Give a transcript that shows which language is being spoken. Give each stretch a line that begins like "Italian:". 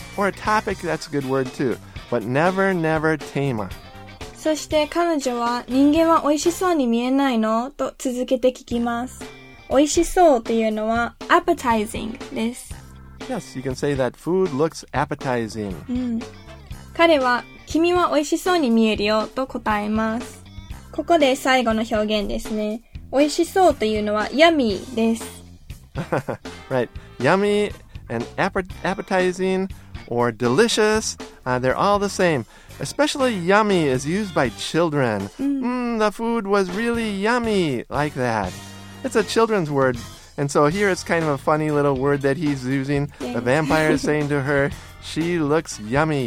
English: Or a topic, that's a good word too. But never, never tema.
Japanese: そして彼女は、人間は美味しそうに見えないの? と続けて聞きます。美味しそうというのは appetizing です。
English: Yes, you can say that food looks appetizing.
Japanese: 彼は、君は美味しそうに見えるよと答えます。ここで最後の表現ですね。美味しそうというのは yummy です。
English: Right, yummy and appetizing or delicious, they're all the same. Especially yummy is used by children. The food was really yummy, like that. It's a children's word. And so here it's kind of a funny little word that he's using. The vampire is saying to her, she looks yummy.